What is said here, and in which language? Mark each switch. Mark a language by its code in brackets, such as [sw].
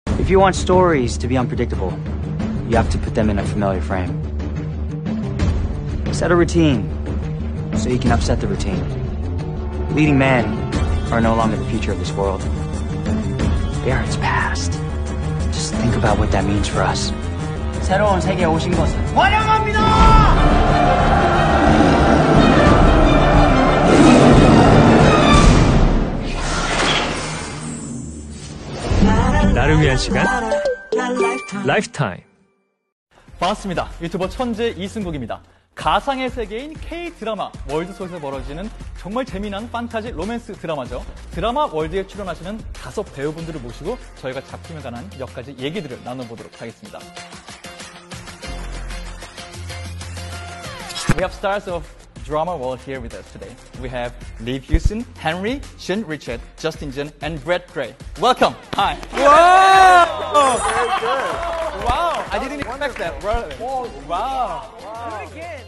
[en] If you want stories to be unpredictable, you have to put them in a familiar frame. Set a routine so you can upset the routine. Leading men are no longer the future of this world. They are its past. Just think about what that means for us. [ko] 새로운 세계에 오신 것을 환영합니다! [en] Lifetime. [ko] 반갑습니다. 유튜버 천재 이승국입니다. 가상의 세계인 K-드라마 월드 속에서 벌어지는 정말 재미난 판타지 로맨스 드라마죠. 드라마 월드에 출연하시는 다섯 배우분들을 모시고 저희가 작품에 관한 몇 가지 얘기들을 나눠보도록 하겠습니다. [en] We have stars of drama world here with us today. We have Lee Pearson, Henry, Shin Richard, Justin Jin, and Brett Gray. Welcome! Hi! Wow! Oh, wow! I didn't expect that. Wow! Do it again!